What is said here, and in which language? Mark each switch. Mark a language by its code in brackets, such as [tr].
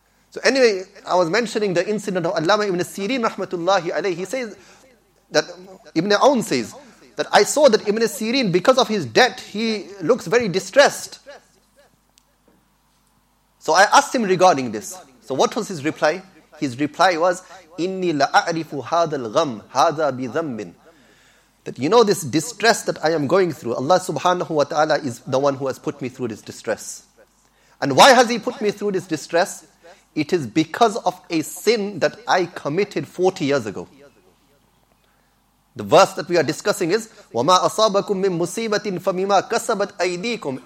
[en] So anyway, I was mentioning the incident of Allama ibn Sirin rahmatullahi alayhi. He says that, Ibn Aun says, that I saw that Ibn Sirin, because of his debt, he looks very distressed. So I asked him regarding this. So what was his reply? His reply was, [ar] إِنِّي لَأَعْرِفُ هَذَا الْغَمْ هَذَا بِذَمِّنْ. [en] That you know this distress that I am going through, Allah subhanahu wa ta'ala is the one who has put me through this distress. And why has he put me through this distress? It is because of a sin that I committed 40 years ago. The verse that we are discussing is, [ar] وَمَا أَصَابَكُم مِّن مُّصِيبَةٍ فَمِمَا كَسَبَتْ أَيْدِيكُمْ.